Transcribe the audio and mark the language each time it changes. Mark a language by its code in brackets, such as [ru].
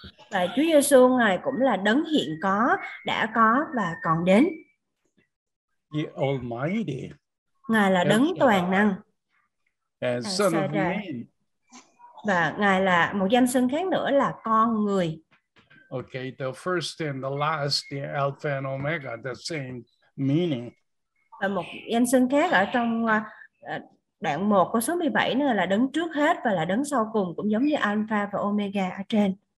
[vi] Và Chúa Giêsu Ngài cũng là đấng hiện có, đã có và còn đến. [en] The Almighty. [vi] Ngài là đấng toàn năng. [en] And Son of Man. [vi] Và Ngài là một danh xưng khác nữa là con người. [en] Okay, the first and the last, the Alpha and Omega, the same meaning. [vi] Và một danh xưng khác ở trong đoạn 1 câu số 17 nữa là đấng trước hết và là đấng sau cùng, cũng giống như Alpha và Omega ở trên.